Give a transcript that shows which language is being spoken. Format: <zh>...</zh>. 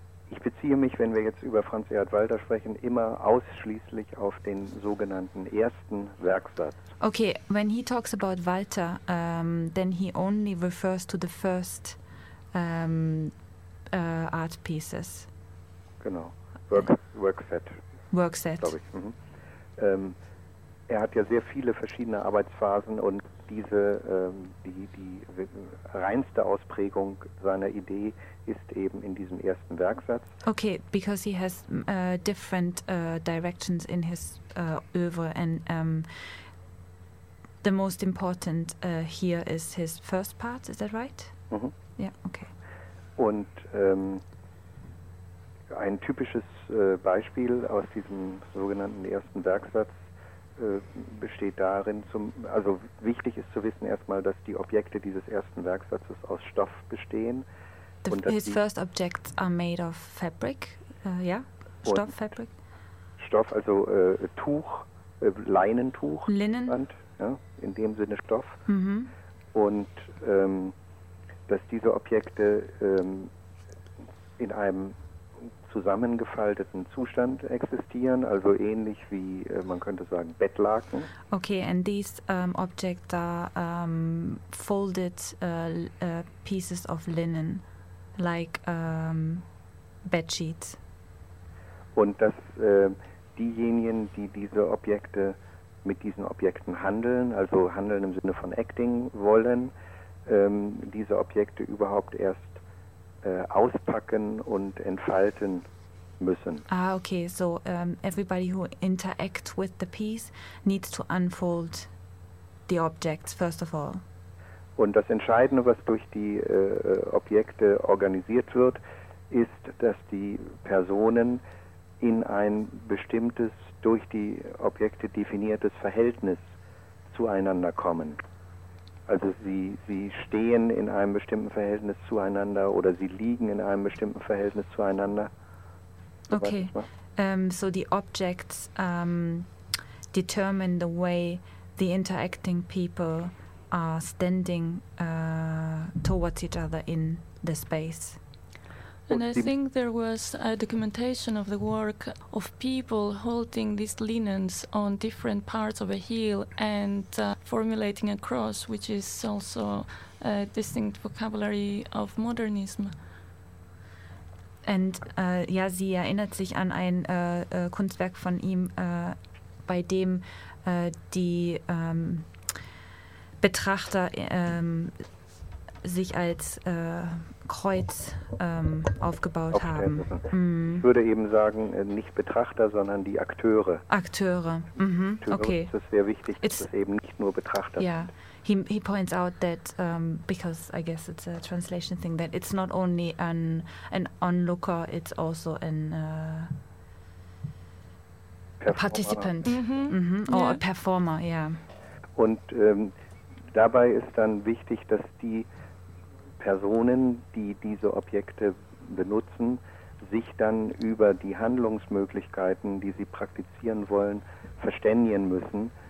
<de>Ich beziehe mich, wenn wir jetzt über Franz Erhard Walter sprechen, immer ausschließlich auf den sogenannten ersten Werksatz.</de> <en>Okay, when he talks about Walter, then he only refers to the first art pieces.</en> <de>Genau, Workset.</de> <en>Workset.</en> <de>Glaube ich. Mhm. Er hat ja sehr viele verschiedene Arbeitsphasen und diese die reinste Ausprägung seiner Idee ist eben in diesem ersten Werksatz.</de> <en>Okay, because he has different directions in his oeuvre and the most important here is his first part, is that right? Mhm. Yeah, okay.</en> <de>Und ein typisches Beispiel aus diesem sogenannten ersten Werksatz besteht darin, also wichtig ist zu wissen erstmal, dass die Objekte dieses ersten Werksatzes aus Stoff bestehen.</de> <en>His first objects are made of fabric, Stofffabrik.</en> <de>Stoff, also Tuch, Leinentuch.</de> <en>Linen.</en> <de>Band, ja, in dem Sinne Stoff. Mm-hmm. Und dass diese Objekte in einem zusammengefalteten Zustand existieren, also ähnlich wie man könnte sagen Bettlaken.</de> <en>Okay, and these objects are folded pieces of linen. Like bedsheets.</en> <de>Und dass diejenigen, die diese Objekte mit diesen Objekten handeln, also handeln im Sinne von acting wollen, diese Objekte überhaupt erst auspacken und entfalten müssen.</de> <en>Ah, okay. So everybody who interact with the piece needs to unfold the objects first of all.</en> <de>Und das Entscheidende, was durch die Objekte organisiert wird, ist, dass die Personen in ein bestimmtes, durch die Objekte definiertes Verhältnis zueinander kommen. Also sie stehen in einem bestimmten Verhältnis zueinander oder sie liegen in einem bestimmten Verhältnis zueinander.</de> <en>So okay, so the objects determine the way the interacting people are standing towards each other in the space. And I think there was a documentation of the work of people holding these linens on different parts of a heel and formulating a cross, which is also a distinct vocabulary of modernism.</en> <de>And ja, sie erinnert sich an ein Kunstwerk von ihm, bei dem die Betrachter sich als Kreuz aufgebaut haben. Ich würde eben sagen, nicht Betrachter, sondern die Akteure. Akteure, mhm. Okay. Das ist sehr wichtig, dass es eben nicht nur Betrachter sind.</de> <en>He points out that because I guess it's a translation thing, that it's not only an onlooker, it's also a participant, mm-hmm. Or a performer, yeah.</en> <de>Und dabei ist dann wichtig, dass die Personen, die diese Objekte benutzen, sich dann über die Handlungsmöglichkeiten, die sie praktizieren wollen, verständigen müssen.</de>